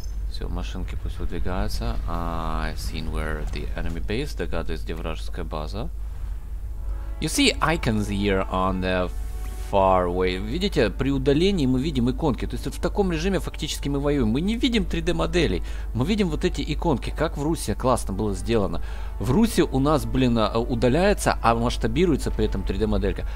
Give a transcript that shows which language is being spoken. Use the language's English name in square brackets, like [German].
[Russian] Все, машинки пусть выдвигаются. [English] I've seen where the enemy base. Догадываюсь, где вражеская база. You see icons here on the far way. [Russian] Видите, при удалении мы видим иконки. То есть вот в таком режиме фактически мы воюем. Мы не видим 3D-моделей. Мы видим вот эти иконки, как в Руси классно было сделано. В Руси у нас, блин, удаляется, а масштабируется при этом 3D-моделька.